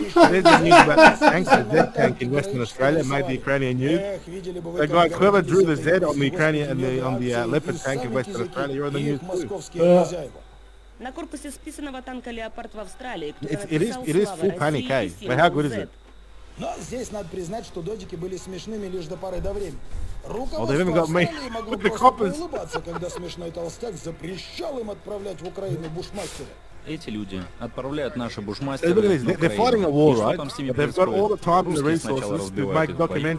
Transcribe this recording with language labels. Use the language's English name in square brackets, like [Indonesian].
[English] There's a news about this tank, the Zed tank in Western Australia, made the Ukrainian news. The guy, whoever drew the Zed on the Ukrainian and on the Leopard tank in Western Australia, you're on the news too. [Russian] На корпусе списанного танка «Леопард» в Австралии. [English] It is full panic, eh? But how good is it? [Russian] Но здесь надо признать, что додики были смешными лишь до поры до времени. Руководство Австралии могло просто улыбаться, когда смешной толстяк запрещал им отправлять в Украину бушмастера. Эти люди отправляют наши бушмастеры на Украину. И что там с ними происходит? Русские сначала разбивают этот бой.